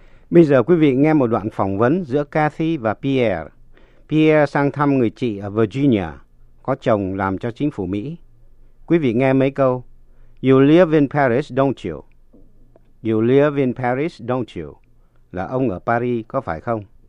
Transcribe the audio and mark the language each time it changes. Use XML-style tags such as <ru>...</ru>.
<vi>Bây giờ quý vị nghe một đoạn phỏng vấn giữa Kathy và Pierre. Pierre sang thăm người chị ở Virginia, có chồng làm cho chính phủ Mỹ. Quý vị nghe mấy câu.</vi> <en>You live in Paris, don't you? You live in Paris, don't you?</en> <vi>Là ông ở Paris, có phải không?</vi>